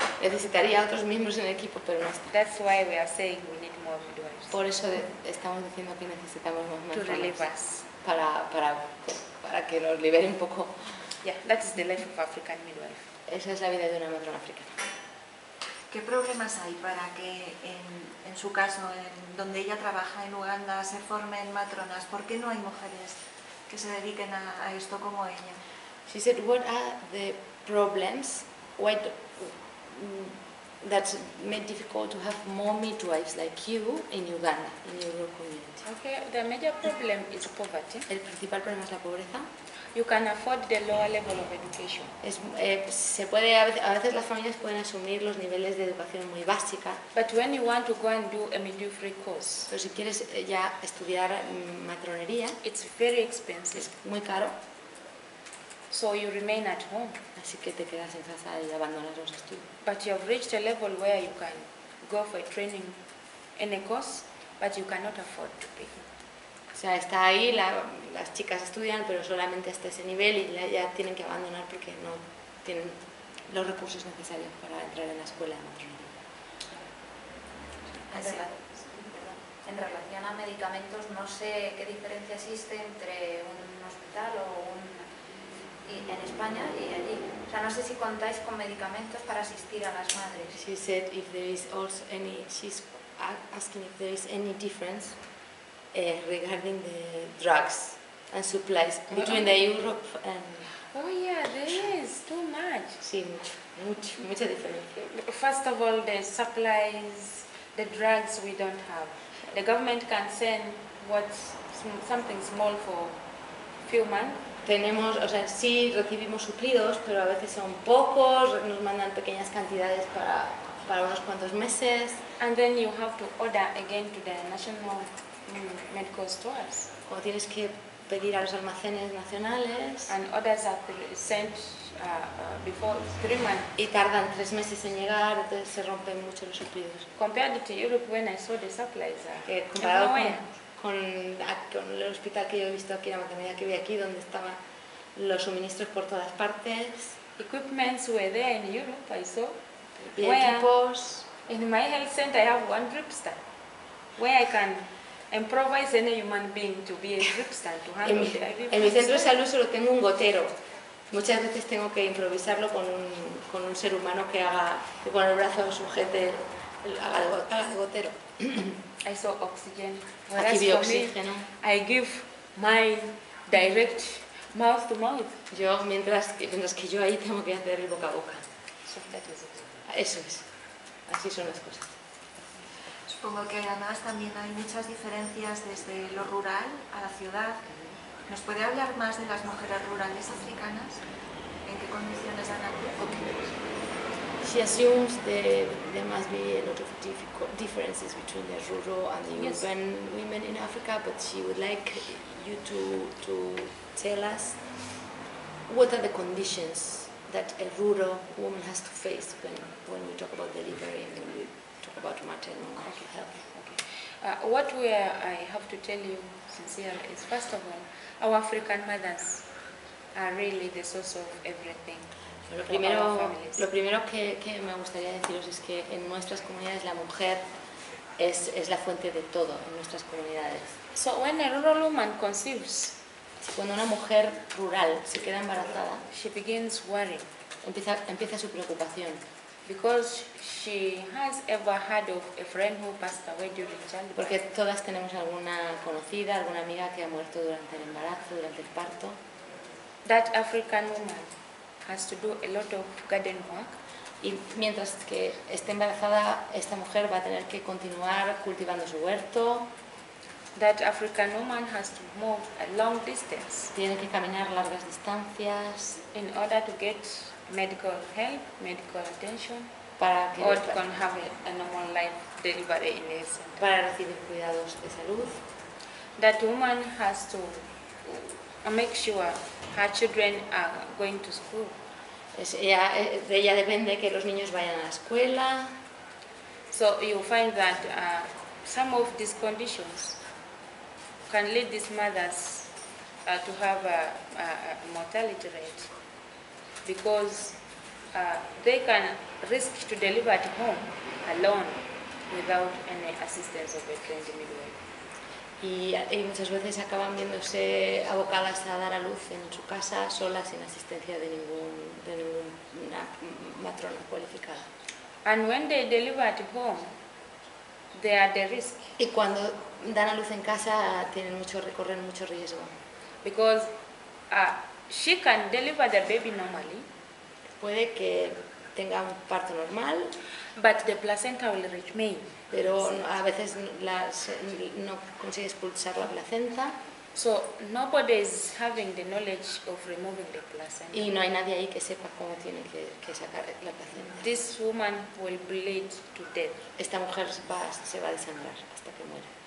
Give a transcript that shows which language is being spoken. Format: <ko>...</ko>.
<es>Necesitaría otros miembros en el equipo, pero no está.</es> <en>That's why we are saying we need more midwives.</en> <es>Por eso estamos diciendo que necesitamos más matronas.</es> <en>To relieve us.</en> <es>Para que nos libere un poco.</es> <en>Yeah, that is the life of African midwife.</en> <es>Esa es la vida de una matrona africana. ¿Qué problemas hay para que, en su caso, donde ella trabaja en Uganda, se formen matronas? ¿Por qué no hay mujeres que se dediquen a esto como ella?</es> <en>She said, what are the problems that made it difficult to have more midwives like you in Uganda, in your community? Okay, the major problem is poverty.</en> <es>El principal problema es la pobreza.</es> <en>You can afford the lower level of education.</en> <es>A veces las familias pueden asumir los niveles de educación muy básica.</es> <en>But when you want to go and do a midwifery course,</en> <es>pero si quieres ya estudiar matronería,</es> <en>it's very expensive.</en> <es>Es muy caro.</es> <en>So you remain at home.</en> <es>Así que te quedas en casa y abandonas los estudios.</es> <en>But you have reached a level where you can go for a training in a course, but you cannot afford to pay.</en> <es>O sea, está ahí, las chicas estudian, pero solamente hasta ese nivel y ya tienen que abandonar porque no tienen los recursos necesarios para entrar en la escuela de matrimonio. En relación a medicamentos, no sé qué diferencia existe entre un hospital o en España y allí. O sea, no sé si contáis con medicamentos para asistir a las madres.</es> <en>She said if there is also any, she's asking if there is any difference. Regarding the drugs and supplies between the Europe and... Oh yeah, there is too much.</en> <es>Sí, mucha diferencia.</es> <en>First of all, the supplies, the drugs we don't have. The government can send something small for few months.</en> <es>Tenemos, o sea, sí recibimos suplidos, pero a veces son pocos, nos mandan pequeñas cantidades para unos cuantos meses.</es> <en>And then you have to order again to the national medical stores.</en> <es>O tienes que pedir a los almacenes nacionales.</es> <en>And orders are sent before 3 months.</en> <es>Y tardan 3 meses en llegar, entonces se rompen mucho los suplidos.</es> <en>Compared to Europe, when I saw the supplies,</en> <es>comparado con el hospital que yo he visto aquí, la maternidad que vi aquí, donde estaban los suministros por todas partes.</es> <en>Equipments were there in Europe, I saw.</en> <es>Y equipos.</es> <en>In my health center, I have one dripstand where I can improvise any human being to be a dripstand to handle.</en> <es>En mi centro de salud solo tengo un gotero. Muchas veces tengo que improvisarlo con un ser humano que haga, que con el brazo sujete haga de gotero.</es> <en>I saw oxygen. Whereas</en> <es>aquí vi oxígeno.</es> <en>Me, I give my direct mouth to mouth.</en> <es>Yo mientras que yo ahí tengo que hacer el boca a boca.</es> <en>So that is it.</en> <es>Eso es. Así son las cosas. Supongo que además también hay muchas diferencias desde lo rural a la ciudad. ¿Nos puede hablar más de las mujeres rurales africanas? ¿En qué condiciones han nacido?</es> <en>She assumes there must be a lot of differences between the rural and the urban women in Africa, but she would like you to tell us what are the conditions that a rural woman has to face when we talk about delivery and when we talk about maternal health. Okay. I have to tell you sincerely is, first of all, our African mothers are really the source of everything.</en> <es>Lo primero que me gustaría deciros es que en nuestras comunidades la mujer es la fuente de todo en nuestras comunidades.</es> <en>So when a rural woman conceives,</en> <es>cuando una mujer rural se queda embarazada,</es> <en>she begins worrying.</en> <es>Empieza su preocupación.</es> <en>Because she has ever heard of a friend who passed away during childbirth.</en> <es>Porque todas tenemos alguna conocida, alguna amiga que ha muerto durante el embarazo, durante el parto.</es> <en>that African woman has to do a lot of garden work.</en> <es>Y mientras que esté embarazada, esta mujer va a tener que continuar cultivando su huerto.</es> <en>That African woman has to move a long distance.</en> <es>Tiene que caminar largas distancias.</es> <en>In order to get medical help, medical attention.</en> <es>Para que</es> <en>or can have a normal life delivery in the center.</en> <es>Para recibir cuidados de salud.</es> <en>That woman has to make sure her children are going to school.</en> <es>Ella depende que los niños vayan a la escuela.</es> <en>So you find that some of these conditions can lead these mothers to have a mortality rate because they can risk to deliver at home alone without any assistance of a trained midwife.</en> <es>Y muchas veces acaban viéndose abocadas a dar a luz en su casa sola sin asistencia de ninguna matrona cualificada.</es> <en>And when they deliver at home, they are the risk.</en> <es>Y cuando dan a luz en casa tienen mucho recorren mucho riesgo.</es> <en>Because she can deliver the baby normally.</en> <es>Puede que tenga un parto normal,</es> <en>but the placenta will remain.</en> <es>Pero a veces no consigue expulsar la placenta.</es> <en>So nobody is having the knowledge of removing the placenta.</en> <es>Y no hay nadie ahí que sepa cómo tiene que sacar la placenta.</es> <en>This woman will bleed to death.</en> <es>Esta mujer se va a desangrar hasta que muera.</es>